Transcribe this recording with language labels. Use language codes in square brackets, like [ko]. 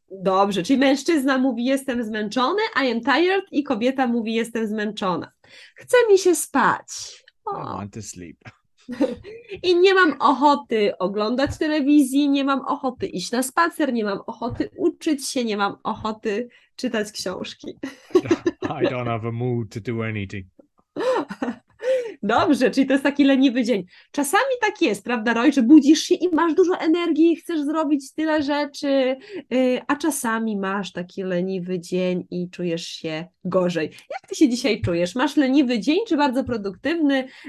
[pl] Dobrze, czyli mężczyzna mówi jestem zmęczony, [en] I am tired, [pl] i kobieta mówi jestem zmęczona. Chcę mi się spać. [en] I want to sleep. [pl] I nie mam ochoty oglądać telewizji, nie mam ochoty iść na spacer, nie mam ochoty uczyć się, nie mam ochoty czytać książki. [en] I don't have a mood to do anything. [pl] Dobrze, czyli to jest taki leniwy dzień. Czasami tak jest, prawda, Roy, że budzisz się i masz dużo energii i chcesz zrobić tyle rzeczy, a czasami masz taki leniwy dzień i czujesz się gorzej. Jak ty się dzisiaj czujesz? Masz leniwy dzień czy bardzo produktywny?